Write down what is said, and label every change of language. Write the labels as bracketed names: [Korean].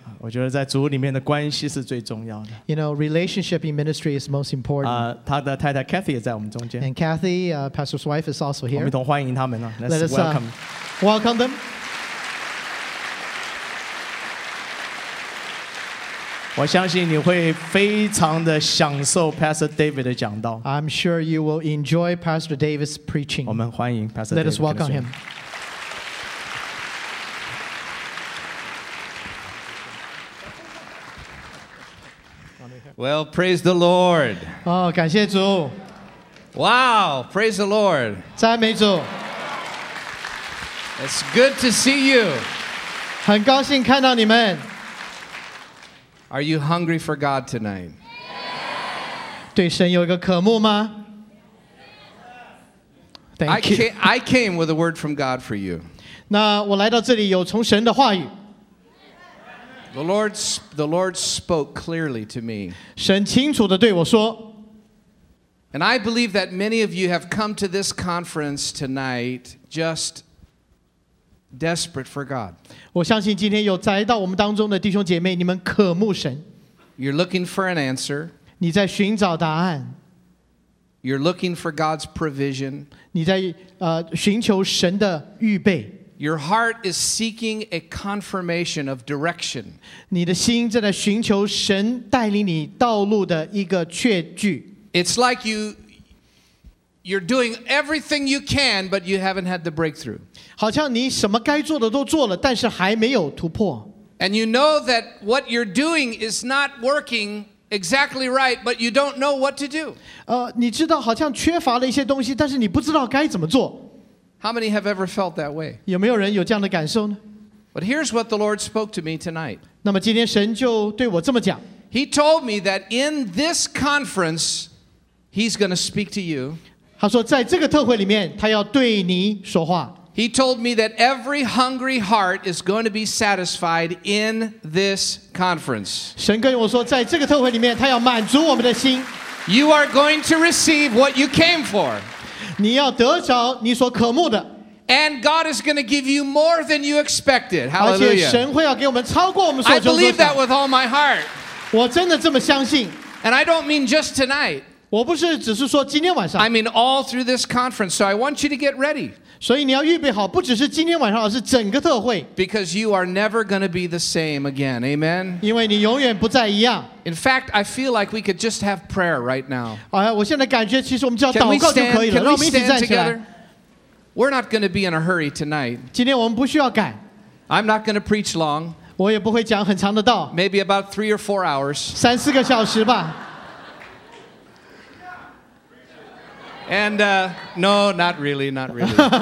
[Chinese] 我觉得在主里面的关系是最重要的。 [English] You know, relationship in ministry is most important. [Chinese] 他的太太 Kathy 也在我们中间。 [English] And Kathy, Pastor's wife, is also here. [Chinese] 我们一同欢迎他们啊。 [English] Let us welcome. Welcome them. [Chinese] 我相信你会非常的享受 Pastor David 的讲道。 [English] I'm sure you will enjoy Pastor David's preaching. [Chinese] 我们欢迎 Pastor David. [English] Let us welcome him. Well, praise the Lord. [Chinese] Oh, 感谢主。 [English] Wow, praise the Lord. [Chinese] 赞美主。 [English] It's good to see you. [Chinese] 很高兴看到你们。 [English] Are you hungry for God tonight? [Chinese] 对神有一个渴慕吗？ [English] Thank you. I came with a word from God for you. [Chinese] 那我来到这里有从神的话语。 [English] The Lord spoke clearly to me. [Chinese] 神清楚地对我说。 [English] And I believe that many of you have come to this conference tonight just desperate for God. [Chinese] 我相信今天有来到我们当中的弟兄姐妹，你们渴慕神。 [English] You're looking for an answer. [Chinese] 你在寻找答案。 [English] You're looking for God's provision. [Chinese] 你在寻求神的预备。 [English] Your heart is seeking a confirmation of direction. [Chinese] 你的心正在寻求神带领你道路的一个确据。 [English] It's like you're doing everything you can, but you haven't had the breakthrough. [Chinese] 好像你什么该做的都做了，但是还没有突破。 [English] And you know that what you're doing is not working exactly right, but you don't know what to do. [Chinese] 你知道好像缺乏了一些东西，但是你不知道该怎么做。 [English] How many have ever felt that way? [Chinese] 有没有人有这样的感受呢？ [English] But here's what the Lord spoke to me tonight. [Chinese] 那么今天神就对我这么讲。 [English] He told me that in this conference, he's going to speak to you. [Chinese] 他说在这个特会里面，他要对你说话。 [English] He told me that every hungry heart is going to be satisfied in this conference. [Chinese] 神跟我说在这个特会里面，他要满足我们的心。 [English] You are going to receive what you came for. [Chinese] 你要得着你所渴慕的。 [English] And God is going to give you more than you expected. Hallelujah. [Chinese] 而且神会要给我们超过我们所求所想。 [English] I believe that with all my heart. [Chinese] 我真的这么相信。 [English] And I don't mean just tonight. [Chinese] 我不是只是说今天晚上。 [English] I mean all through this conference. So I want you to get ready. [Chinese] 所以你要预备好不只是今天晚上而是整个特会。 [English] Because you are never going to be the same again. Amen. [Chinese] 因为你永远不再一样。 [English] In fact, I feel like we could just have prayer right now. [Chinese] 我现在感觉其实我们只要祷告就可以了。 [English] Can we stand? Can we stand together? We're not going to be in a hurry tonight. [Chinese] 今天我们不需要赶。 [English] I'm not going to preach long. [Chinese] 我也不会讲很长的道。 [English] Maybe about 3 or 4 hours. [Chinese] 三四个小时吧。 [English] And no, not really, not really.